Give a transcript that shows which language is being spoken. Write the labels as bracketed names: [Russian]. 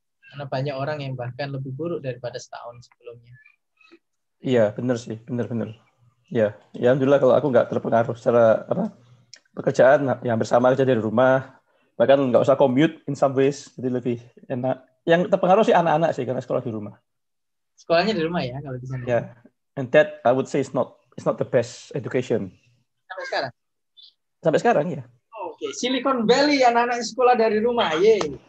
[Indonesian] Karena banyak orang yang bahkan lebih buruk daripada setahun sebelumnya. Iya, benar sih, benar-benar. Iya, ya alhamdulillah kalau aku enggak terpengaruh secara apa? Pekerjaan yang bersama kerja dari rumah. Bahkan nggak usah [English] commute in some ways, [Indonesian] jadi lebih enak. Yang terpengaruh sih anak-anak sih, karena sekolah di rumah. Sekolahnya di rumah ya, kalau di sana? Ya, yeah. [English] And that I would say is not the best education. [Indonesian] Sampai sekarang? Sampai sekarang, ya. Yeah. Oh, oke, okay. Silicon Valley, anak-anak sekolah dari rumah, yay.